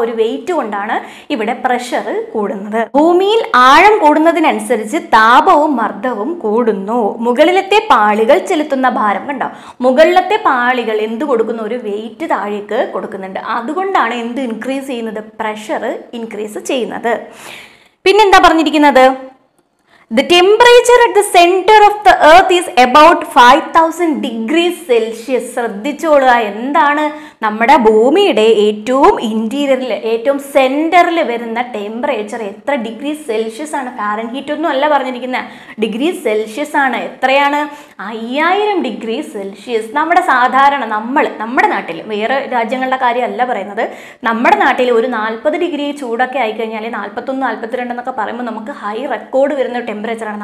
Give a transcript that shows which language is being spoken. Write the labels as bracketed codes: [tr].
[ml] ആ ഒരു വെയ്റ്റ് കൊണ്ടാണ് ഇവിടെ പ്രഷർ കൂടുന്നത്. ഭൂമിയിൽ ആഴം കൂടുന്നതിനനുസരിച്ച് താപവും മർദ്ദവും കൂടുന്നു. മുകളിലത്തെ പാളികൾ ചെലുത്തുന്ന ഭാരം, കണ്ടോ, മുകളിലത്തെ പാളികൾ എന്ത് കൊടുക്കുന്നു? ഒരു വെയ്റ്റ് താഴേക്ക് കൊടുക്കുന്നുണ്ട്. അതുകൊണ്ടാണ് എന്ത് ഇൻക്രീസ് ചെയ്യുന്നത്? പ്രഷർ ഇൻക്രീസ് ചെയ്യുന്നത്. പിന്നെന്താ പറഞ്ഞിരിക്കുന്നത്? [en] The temperature at the center of the earth is about 5000 degrees Celsius. [ml] ശ്രദ്ധിച്ചോളുക, എന്താണ് നമ്മുടെ ഭൂമിയുടെ ഏറ്റവും ഇൻറ്റീരിയറിൽ, ഏറ്റവും സെൻറ്ററിൽ വരുന്ന ടെമ്പറേച്ചർ എത്ര ഡിഗ്രി സെൽഷ്യസ് ആണ്? ഫാരൻഹീറ്റ് ഒന്നും അല്ല പറഞ്ഞിരിക്കുന്നത്, ഡിഗ്രി സെൽഷ്യസ് ആണ്. എത്രയാണ്? [en] 5000 degrees Celsius. [ml] നമ്മുടെ സാധാരണ, നമ്മുടെ നാട്ടിൽ, വേറെ രാജ്യങ്ങളുടെ കാര്യമല്ല പറയുന്നത്, നമ്മുടെ നാട്ടിൽ ഒരു 40 ഡിഗ്രി ചൂടൊക്കെ ആയിക്കഴിഞ്ഞാൽ, 41, 42 എന്നൊക്കെ പറയുമ്പോൾ നമുക്ക് ഹൈ റെക്കോർഡ് വരുന്ന ടെമ്പറേച്ചർ ആണ്.